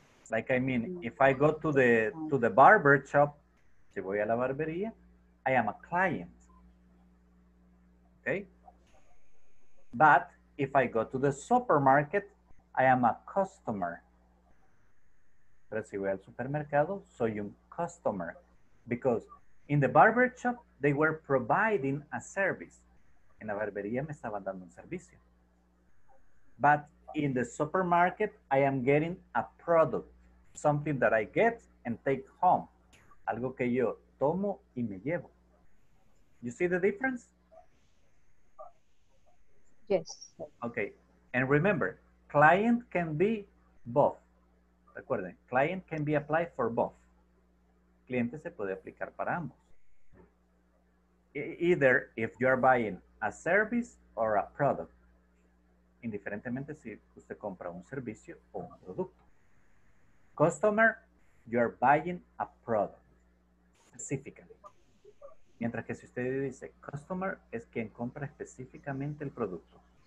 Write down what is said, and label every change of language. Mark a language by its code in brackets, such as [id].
[en] Like, I mean, if I go to the barber shop, [es] si voy a la barbería, [en] I am a client. Okay? But if I go to the supermarket, I am a customer. [es] Recibe al supermercado, soy un customer. [en] Because in the barber shop, they were providing a service. [es] En la barbería me estaban dando un servicio. [en] But in the supermarket, I am getting a product, something that I get and take home. [es] Algo que yo tomo y me llevo. [en] You see the difference? Yes. Okay. And remember, client can be both. [es] Recuerden, [en] client can be applied for both. [es] Cliente se puede aplicar para ambos. [en] Either if you are buying a service or a product. [es] Indiferentemente si usted compra un servicio o un producto. [en] Customer, you are buying a product. Specifically. [es] Mientras que si usted dice customer, es quien compra específicamente el producto.